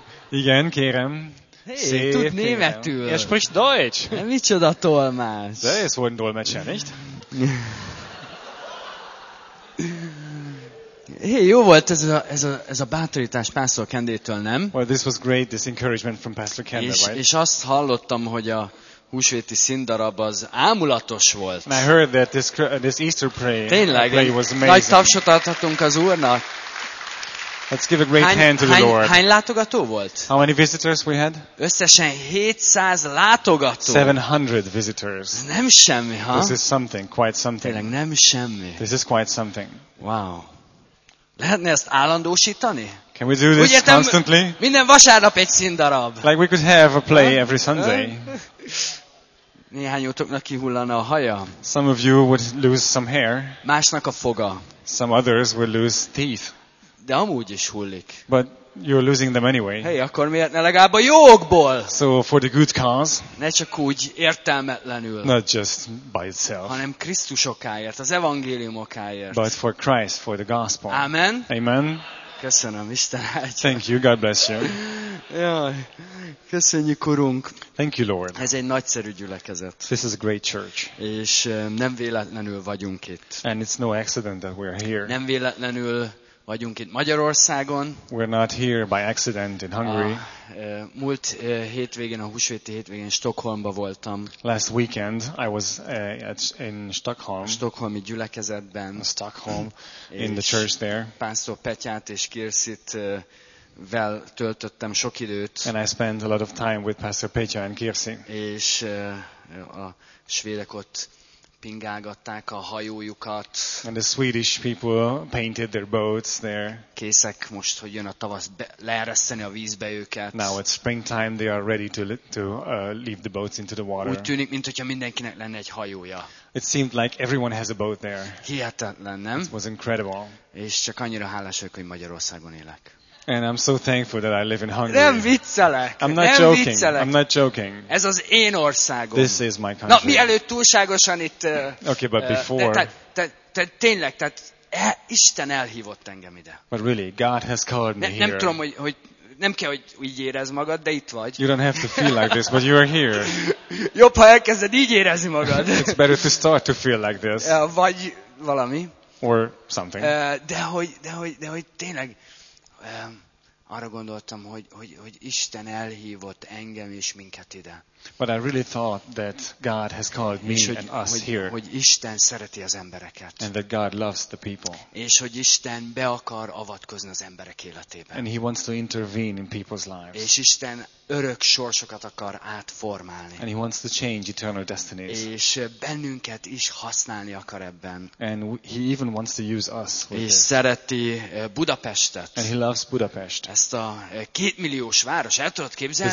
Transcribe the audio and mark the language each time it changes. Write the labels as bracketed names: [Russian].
[Hungarian] Igen, kérem. Hey, tud németül. [German] Er spricht Deutsch. [Hungarian] Ja, micsoda tolmács. De ez volt [German] dolmetsen, nicht? [Hungarian] Hey, jó volt ez a bátorítás Pastor Kendétől, nem? [English] Well, this was great, this encouragement from Pastor Kendé, right? [Hungarian] És azt hallottam, hogy a húsvéti színdarab az ámulatos volt. [English] And I heard that this Easter prayer [Hungarian] tényleg, [English] play was amazing. [Hungarian] Nagy tapsot adhatunk az Úrnak. [English] Let's give a great hand to the Lord. [Hungarian] Hány látogató volt? [English] How many visitors we had? [Hungarian] Összesen 700 látogató. [English] 700 visitors. [Hungarian] Nem semmi, ha? [English] This is something, quite something. [Hungarian] Tényleg nem semmi. [English] This is quite something. Wow. [Hungarian] Lehetne ezt állandósítani? [English] Can we do this constantly? [Hungarian] Minden vasárnap egy színdarab. [English] Like we could have a play every Sunday. [Hungarian] Néhányotoknak kihullana a haja. [English] Some of you would lose some hair. [Hungarian] Másnak a foga. [English] Some others would lose teeth. [Hungarian] De amúgy is hullik. [English] But you're losing them anyway. [Hungarian] Hey, akkor miért ne legalább a jókból? [English] So for the good cause. [Hungarian] Ne csak úgy értelmetlenül. [English] Not just by itself. [Hungarian] Hanem Krisztus okáért, az evangélium okáért. [English] But for Christ, for the gospel. Amen. Amen. [Hungarian] Köszönöm, Isten áldja. [English] Thank you, God bless you. [Hungarian] Jaj, köszönjük, Urunk. [English] Thank you, Lord. [Hungarian] Ez egy nagyszerű gyülekezet. [English] This is a great church. [Hungarian] És nem véletlenül vagyunk itt. [English] And it's no accident that we're here. [Hungarian] Nem véletlenül vagyunk itt Magyarországon. [English] We're not here by accident in Hungary. [Hungarian] Múlt hétvégén, a húsvéti hétvégén Stockholmba voltam. [English] Last weekend I was in Stockholm. [Hungarian] Stockholmi gyülekezetben. [English] Stockholm in the church there. [Hungarian] Pásztor Petyát és Kirsit vel töltöttem sok időt. [English] And I spent a lot of time with Pastor Petya and Kirsi. [Hungarian] És a svédek ott pingálgatták a hajójukat. [English] And the Swedish people painted their boats there. [Hungarian] Készek most, hogy jön a tavasz, leereszteni a vízbe őket. [English] Now it's springtime, they are ready to leave the boats into the water. [Hungarian] Úgy tűnik, mintha mindenkinek lenne egy hajója. [English] It seemed like everyone has a boat there. [Hungarian] Hihetetlen, nem? [English] It was incredible. [Hungarian] És csak annyira hálás vagyok, hogy Magyarországon élek. [English] And I'm so thankful that I live in Hungary. [Hungarian] Nem viccelek. [English] I'm not joking. I'm not joking. [Hungarian] Ez az én országom. [English] This is my country. [Hungarian] Na, mielőtt túlságosan itt. [English] Okay, but before. [Hungarian] Tényleg, tehát Isten elhívott engem ide. [English] But really, God has called me here. [Hungarian] Nem tudom, hogy nem kell, hogy úgy érezd magad, de itt vagy. [English] You don't have to feel like this, but you are here. [Hungarian] Jobb, ha elkezded így érezni magad. [English] It's better to start to feel like this. [Hungarian] Vagy valami. [English] Or something. [Hungarian] De hogy tényleg arra gondoltam, hogy Isten elhívott engem és minket ide. [English] But I really thought that God has called me [Hungarian] hogy, [English] and us [Hungarian] hogy, [English] here. [Hungarian] Hogy Isten szereti az embereket. [English] And that God loves the people. [Hungarian] És hogy Isten be akar avatkozni az emberek életében. [English] And he wants to intervene in people's lives. [Hungarian] És Isten örök sorsokat akar átformálni. [English] And he wants to change eternal destinies. [Hungarian] És bennünket is használni akar ebben. [English] And he even wants to use us. [Hungarian] És szereti Budapestet. [English] And he loves Budapest. [Hungarian] Ezt a 2 milliós város, el tudod képzelni?